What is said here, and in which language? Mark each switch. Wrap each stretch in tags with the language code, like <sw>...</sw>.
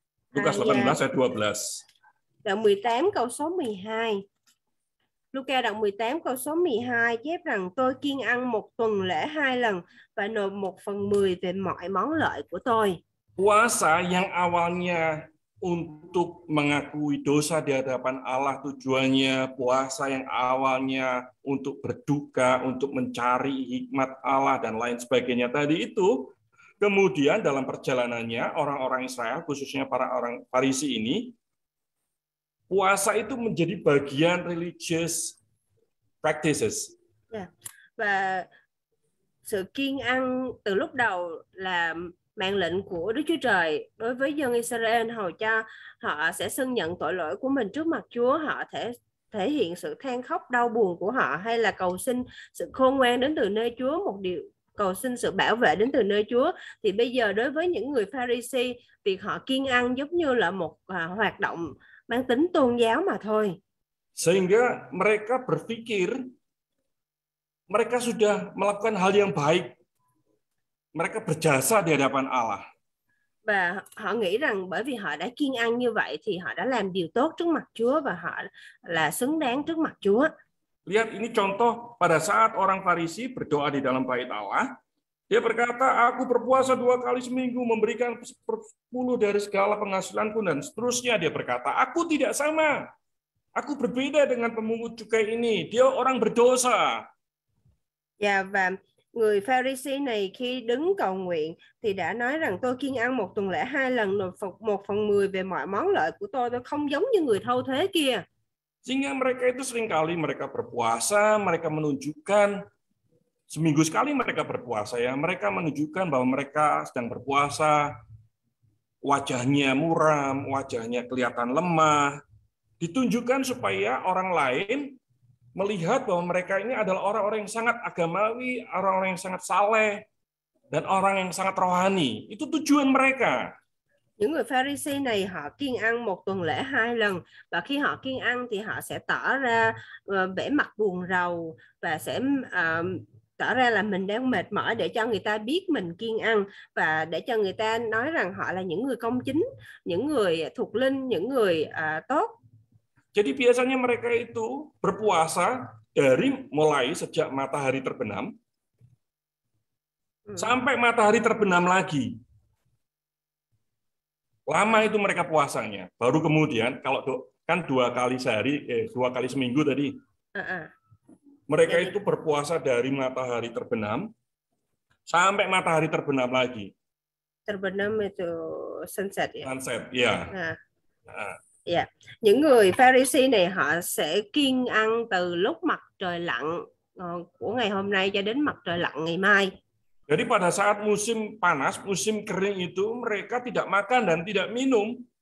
<id>Lucas 18 ayat 12.</id> <vi>Đoạn 18 câu số 12. Luca đoạn 18 câu số 12 chép rằng tôi kiêng ăn một tuần lễ hai lần và nộp một phần mười về mọi món lợi của tôi.</vi> <id>Puasa yang awalnya untuk mengakui dosa di hadapan Allah, tujuannya puasa yang awalnya untuk berduka, untuk mencari hikmat Allah dan lain sebagainya tadi itu, kemudian dalam perjalanannya orang-orang Israel, khususnya para orang Farisi ini, puasa itu menjadi bagian</id> <en>religious practices. Yeah.</en> <vi>Và sự kiêng ăn từ lúc đầu là mạng lệnh của Đức Chúa Trời đối với dân Israel, hầu cho họ sẽ xưng nhận tội lỗi của mình trước mặt Chúa, họ thể hiện sự than khóc đau buồn của họ hay là cầu xin sự khôn ngoan đến từ nơi Chúa, một điều cầu xin sự bảo vệ đến từ nơi Chúa. Thì bây giờ đối với những người Pharisee, việc họ kiêng ăn giống như là một hoạt động mang tính tôn giáo mà thôi.</vi> <id>Sehingga mereka berpikir mereka sudah melakukan hal yang baik. Mereka berjasa di hadapan Allah.</id> <vi>Và họ nghĩ rằng bởi vì họ đã kiêng ăn như vậy thì họ đã làm điều tốt trước mặt Chúa và họ là xứng đáng trước mặt Chúa.</vi> <id>Lihat, ini contoh pada saat orang Farisi berdoa di dalam bait Allah. Dia berkata, aku berpuasa dua kali seminggu, memberikan 10% dari segala penghasilanku, dan seterusnya dia berkata, aku tidak sama. Aku berbeda dengan pemungut cukai ini. Dia orang berdosa.</id> <vi>Ya, và người Pharisee này khi đứng cầu nguyện thì đã nói rằng tôi kiêng ăn một tuần lễ hai lần, nộp một phần mười về mọi món lợi của tôi. Tôi không giống như người thâu thuế kia.</vi> <id>Sehingga mereka itu seringkali mereka berpuasa, mereka menunjukkan seminggu sekali mereka berpuasa ya, mereka menunjukkan bahwa mereka sedang berpuasa. wajahnya muram, wajahnya kelihatan lemah, ditunjukkan supaya orang lain melihat bahwa mereka ini adalah orang-orang yang sangat agamawi, orang-orang yang sangat saleh, dan orang yang sangat rohani. Itu tujuan mereka.</id> <vi>Những người Pharisee này họ kiêng ăn một tuần lễ hai lần, và khi họ kiêng ăn thì họ sẽ tỏ ra vẻ mặt buồn rầu và sẽ tỏ ra là mình đang mệt mỏi để cho người ta biết mình kiêng ăn và để cho người ta nói rằng họ là những người công chính, những người thuộc linh, những người tốt.</vi> <id>Jadi biasanya mereka itu berpuasa dari mulai sejak matahari terbenam sampai matahari terbenam lagi. Lama itu mereka puasanya. Baru kemudian, kalau kan dua kali sehari, dua kali seminggu tadi, mereka itu berpuasa dari matahari terbenam sampai matahari terbenam lagi. Terbenam itu sunset ya?</id> <en>Sunset,</en> <id>iya.</id> <en>Yeah. Yeah.</en> <vi>Những người Pharisee này họ sẽ kiêng ăn từ lúc mặt trời lặn của ngày hôm nay cho đến mặt trời lặn ngày mai.</vi> <id>Jadi pada saat musim panas, musim kering itu mereka tidak makan dan tidak minum.</id>